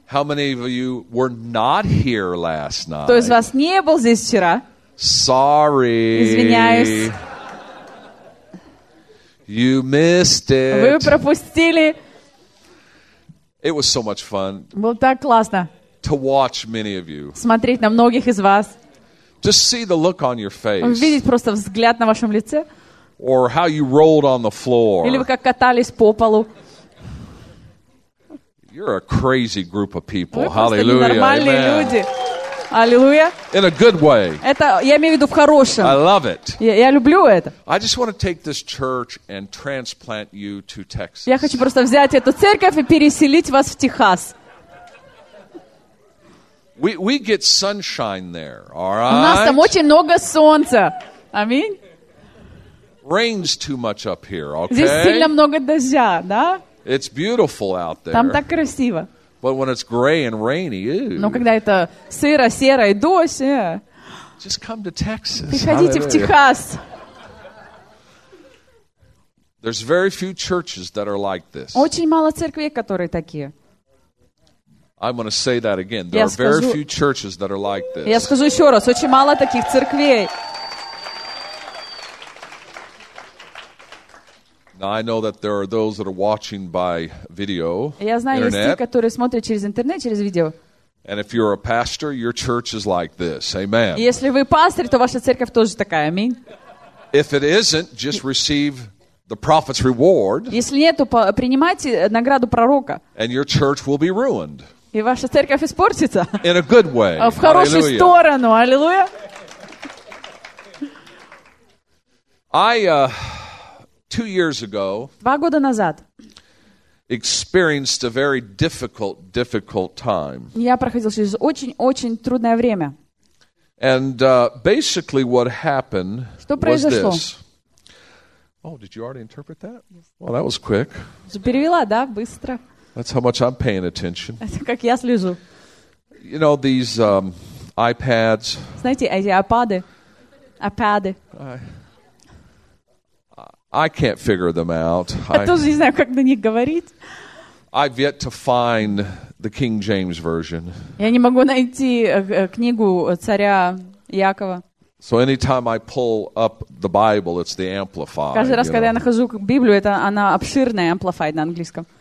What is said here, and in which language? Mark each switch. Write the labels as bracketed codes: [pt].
[en] How many of you were not here last night? [ru] Кто из вас не был здесь вчера? [en] Sorry. [ru] Извиняюсь. [en] You missed it. [ru] Вы пропустили. [en] It was so much fun. [ru] Было так классно. [en] To watch many of you. [ru] Смотреть на многих из вас. [en] To see the look on your face. [ru] Видеть просто взгляд на вашем лице. [en] Or how you rolled on the floor. [ru] Или вы как катались по полу. [en] You're a crazy group of people. [ru] Вы [en] Hallelujah. [ru] Нормальные люди. Аллилуйя. [en] In a good way. [ru] Это я имею в виду в хорошем. [en] I love it. [ru] Я люблю это. [en] I just want to take this church and transplant you to Texas. [ru] Я хочу просто взять эту церковь и переселить вас в Техас. [en] We get sunshine there, all right? [ru] У нас там очень много солнца. Аминь. [en] Rains too much up here, okay? [ru] Здесь сильно много дождя, да? [en] It's beautiful out there. [ru] Там так красиво. [en] But when it's gray and rainy, ew. [ru] Но когда это сыро, серо и дождь, [en] Just come to Texas. [ru] Приходите в Техас. [en] There's very few churches that are like this. [ru] Очень мало церквей, которые такие. [en] I'm going to say that again. There are very few churches that are like this. [ru] Я скажу еще раз, очень мало таких церквей. [en] Now I know that there are those that are watching by video. [ru] Я знаю, есть те, которые смотрят через интернет, через видео. [en] And if you're a pastor, your church is like this. Amen. [ru] Если вы пастор, то ваша церковь тоже такая. Аминь. [en] If it isn't, just receive the prophet's reward. [ru] Если нет, то принимайте награду пророка. [en] And your church will be ruined. [ru] И ваша церковь испортится. [en] In a good way. [ru] В хорошую сторону. Аллилуйя. [en] Two years ago, [ru] 2 года назад, [en] experienced a very difficult time. [ru] Я проходил через очень-очень трудное время. [en] And basically what happened [ru] Что произошло? [en] Was this. Oh, did you already interpret that? Well, that was quick. [ru] Перевела, да, быстро. [en] That's how much I'm paying attention. [ru] Это как я слежу. [en] You know, these iPads. [ru] Знаете, эти iPad-ы. iPad-ы. [en] I can't figure them out. [ru] Я тоже не знаю, как на них говорить. [en] I've yet to find the King James Version. [ru] Я не могу найти книгу царя Якова. [en] So anytime I pull up the Bible, it's the Amplified. [ru] Каждый раз, когда я нахожу Библию, это она обширная, Amplified на английском.